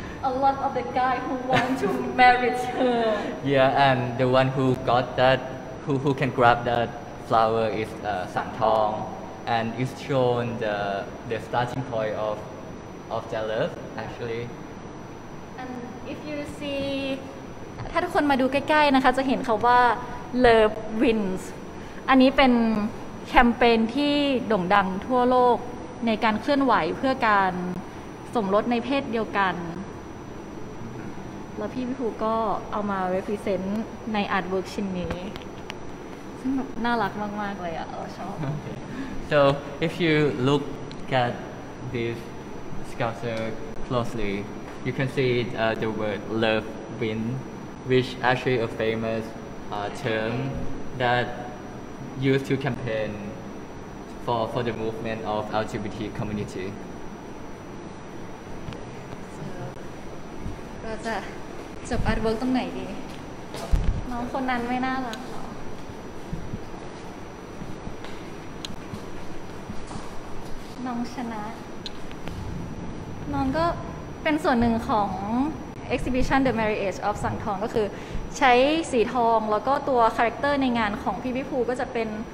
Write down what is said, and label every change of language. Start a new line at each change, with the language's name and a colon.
English: a lot of the guy who want to marry her. Yeah, and the one who got that who can grab that flower is Sang Thong, and it's shown the starting point of their love actually. And if you see
Thai: ถ้าทุกคนมาดูใกล้ๆนะคะจะเห็นเขาว่า Love Wins อันนี้เป็นแคมเปญที่โด่งดังทั่วโลกในการเคลื่อนไหวเพื่อการสมรสในเพศเดียวกันแล้วพี่วิภูก็เอามา represent ในอาร์ตเวิร์คชิ้นนี้ซึ่งแบบน่ารักมากๆเลยอ่ะเราชอบ
English: So if you look at this sculpture closely you can see the word Love Wins which actually a famous term that used to campaign for the movement of LGBT community.
Thai: So, เราจะจบ artwork ตรงไหนดีน้องคนนั้นไม่น่ารักหรอน้องชนะน้องก็เป็นส่วนหนึ่งของExhibition The Marriage of สังทองก็คือใช้สีทองแล้วก็ตัวคาแรคเตอร์ในงานของพี่วิภูก็จะเป็น